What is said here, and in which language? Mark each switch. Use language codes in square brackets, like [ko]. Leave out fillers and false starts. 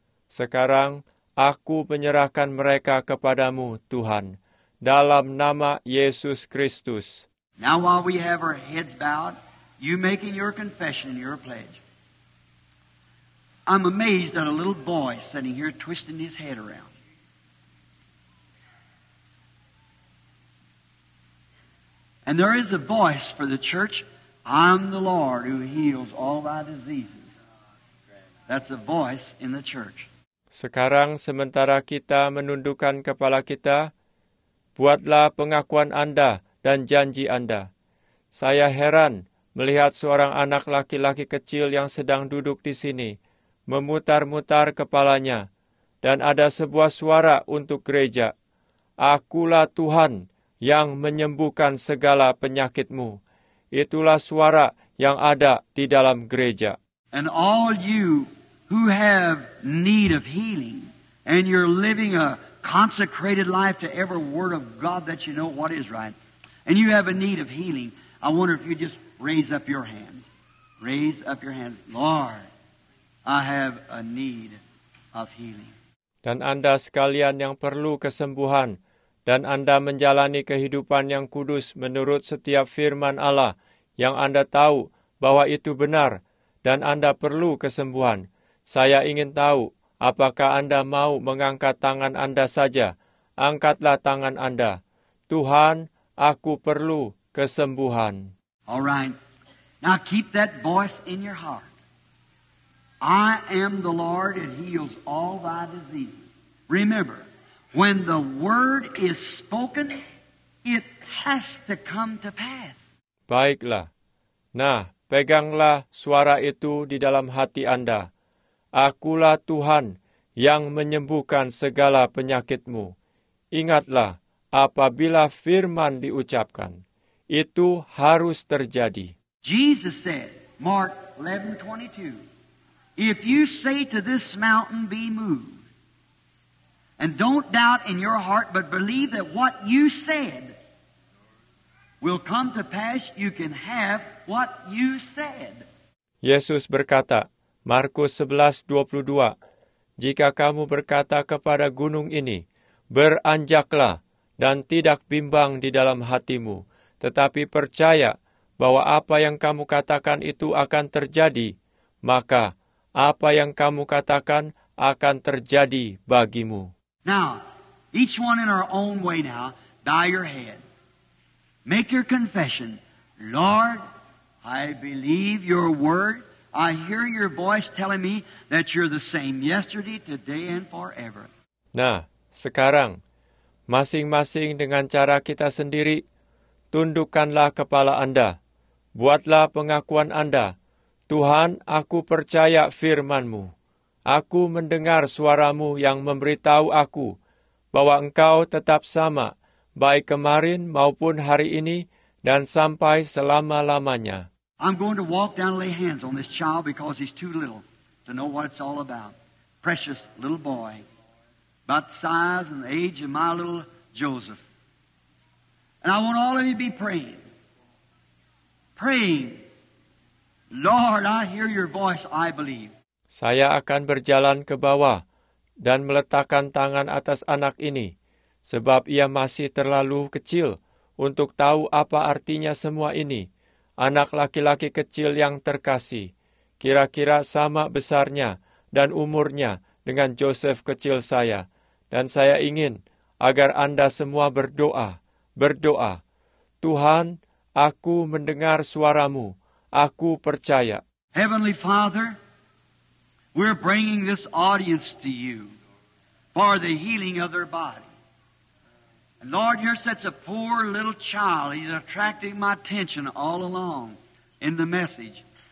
[id] Sekarang aku menyerahkan mereka kepadamu, Tuhan, dalam nama Yesus Kristus. [en] Now while we have our heads bowed, you making your confession and your pledge. I'm amazed at a little boy sitting here twisting his head around. And there is a voice for the church, I'm the Lord who heals all thy diseases. That's a voice in the church. [id] Sekarang sementara kita menundukkan kepala kita, buatlah pengakuan Anda dan janji Anda. Saya heran melihat seorang anak laki-laki kecil yang sedang duduk di sini, memutar-mutar kepalanya, dan ada sebuah suara untuk gereja. Akulah Tuhan yang menyembuhkan segala penyakitmu. Itulah suara yang ada di dalam gereja. [en] And all you who have need of healing, and you're living a consecrated life to every word of God that you know what is right, and you have a need of healing, I wonder if you just raise up your hands. Raise up your hands. Lord, I have a need of healing. [id] Dan Anda sekalian yang perlu kesembuhan, dan Anda menjalani kehidupan yang kudus menurut setiap firman Allah, yang Anda tahu bahwa itu benar, dan Anda perlu kesembuhan. Saya ingin tahu, apakah Anda mau mengangkat tangan Anda saja? Angkatlah tangan Anda. Tuhan, aku perlu kesembuhan. [en] All right. Now keep that voice in your heart. I am the Lord and heals all thy diseases. Remember, when the word is spoken, it has to come to pass. [id] Baiklah. Nah, peganglah suara itu di dalam hati Anda. Akulah Tuhan yang menyembuhkan segala penyakitmu. Ingatlah, apabila firman diucapkan, itu harus terjadi. [en] Jesus said, Mark 11:22, if you say to this mountain, be moved, and don't doubt in your heart, but believe that what you said will come to pass, you can have what you said. [id] Yesus berkata, Markus 11:22, jika kamu berkata kepada gunung ini, beranjaklah dan tidak bimbang di dalam hatimu, tetapi percaya bahwa apa yang kamu katakan itu akan terjadi, maka apa yang kamu katakan akan terjadi bagimu. [en] Now, each one in our own way now, bow your head. Make your confession. Lord, I believe your word. I hear your voice telling me that you're the same yesterday, today, and forever. [id] Nah, sekarang, masing-masing dengan cara kita sendiri, tundukkanlah kepala Anda. Buatlah pengakuan Anda. Tuhan, aku percaya firman-Mu. Aku mendengar suara-Mu yang memberitahu aku bahwa Engkau tetap sama, baik kemarin maupun hari ini, dan sampai selama-lamanya. [en] I'm going to walk down and lay hands on this child because he's too little to know what it's all about. Precious little boy, about the size and the age of my little Joseph. And I want all of you to be praying. Praying. Lord, I hear your voice, I believe. [id] Saya akan berjalan ke bawah dan meletakkan tangan atas anak ini, sebab ia masih terlalu kecil untuk tahu apa artinya semua ini. Anak laki-laki kecil yang terkasih, kira-kira sama besarnya dan umurnya dengan Joseph kecil saya. Dan saya ingin agar Anda semua berdoa, berdoa. Tuhan, aku mendengar suara-Mu. Aku percaya. [en] Heavenly Father, we're bringing this audience to you for the healing of their body. And Lord, here sits a poor little child. He's attracting my attention all along in the message.